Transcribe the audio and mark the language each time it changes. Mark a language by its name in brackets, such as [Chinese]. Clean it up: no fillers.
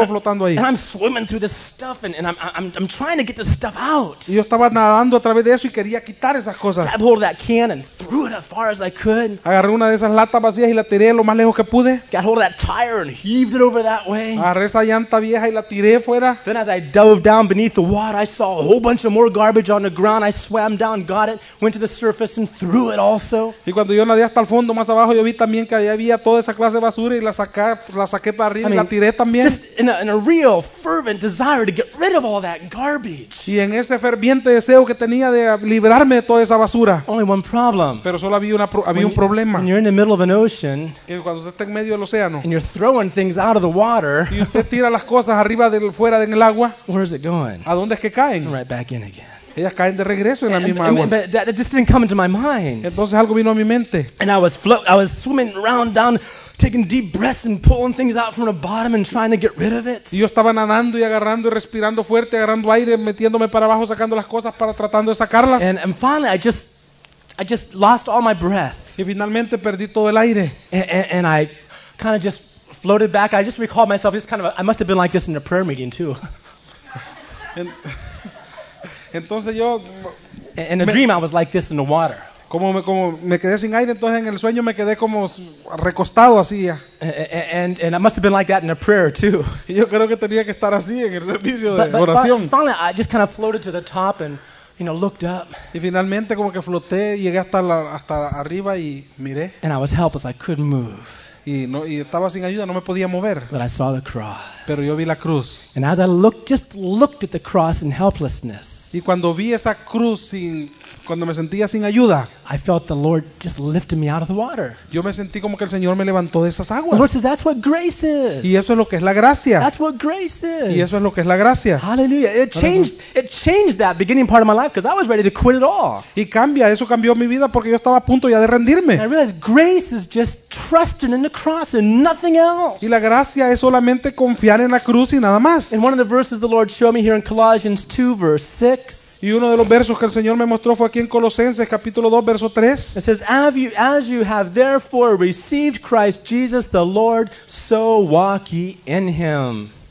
[English] and [Spanish] flotando ahí. [English] And I'm swimming through this stuff and I'm trying to get this stuff out. [Spanish] Y yo estaba nadando a través de eso y quería quitar esas cosas. [English] Grab hold of that can and threw it as far as I could. [Spanish] Agarré una de esas latas vacías y la tiré lo más lejos que pude. [English] Got hold of that tire and heaved it over that way. [Spanish] Agarré esa llanta vieja y la tiré fuera. [English] Then as I dove down beneath the water, I saw a whole bunch of more garbage on the ground. I swam down, got it, went to the surface and threw it also. [Spanish] Y cuando yo nadé hasta el fondo más abajo, yo vi también que había toda esa clase de basura y la saqué para arriba, [English] I mean, [Spanish] y la tiré también. [English] Just in a real fervent desire to get rid of all that garbage. [Spanish] Y en ese ferviente deseo que tenía de librarme de toda esa basura. [English] Only one problem. [Spanish] Pero solo había una había [English] when [Spanish] un problema. [English] You're in the middle of an ocean, [Spanish] que cuando usted está en medio del océano, [English] and you're throwing things out of the water, [Spanish] y usted tira las cosas arriba del fuera del agua, [English] where is it going? [Spanish] ¿A dónde es que caen? [English] Right back in again. [Spanish] Ellas caen de regreso en la misma agua. [English] But that just didn't come into my mind. [Spanish] Entonces algo vino a mi mente. [English] And I was swimming around down, taking deep breaths and pulling things out from the bottom and trying to get rid of it. [Spanish] Yo estaba nadando y agarrando y respirando fuerte, agarrando aire, metiéndome para abajo, sacando las cosas para tratando de sacarlas. [English] And finally, I just lost all my breath. [Spanish] Y finalmente perdí todo el aire. [English] And I kind of just floated back. I just recalled myself. Just kind of, I must have been like this in a prayer meeting too. [Spanish] Entonces yo. [English] In a dream, I was like this in the water. [Spanish] Como me quedé sin aire, entonces en el sueño me quedé como recostado así. [English] And I must have been like that in a prayer too. [Spanish] Yo creo que tenía que estar así en el servicio de oración. [English] But finally, I just kind of floated to the top and, you know, looked up. [Spanish] Y finalmente como que floté, llegué hasta arriba y miré. [English] And I was helpless. I couldn't move. [Spanish] y estaba sin ayuda, no me podía mover. [English] But I saw the cross. [Spanish] Pero yo vi la cruz. [English] And as I looked at the cross in helplessness. [Spanish] Y cuando vi esa cruz sin, cuando me sentía sin ayuda. [English] I felt the Lord just lifted me out of the water. [Spanish] Yo me sentí como que el Señor me levantó de esas aguas. [English] The Lord says, "That's what grace is." [Spanish] Y eso es lo que es la gracia. [English] That's what grace is. [Spanish] Y eso es lo que es la gracia. [English] Hallelujah! It changed that beginning part of my life because I was ready to quit it all. [Spanish] Y cambia, eso cambió mi vida porque yo estaba a punto ya de rendirme. [English] And I realized grace is just trusting in the cross and nothing else. [Spanish] Y la gracia es solamente confiar en la cruz y nada más. [English] In one of the verses the Lord showed me here in Colossians 2, verse 6. [Spanish] Y uno de los versos que el Señor me mostró fue aquí en Colosenses capítulo 2 verso 3. [English] It says, as you have therefore received Christ Jesus the Lord, so walk ye in him.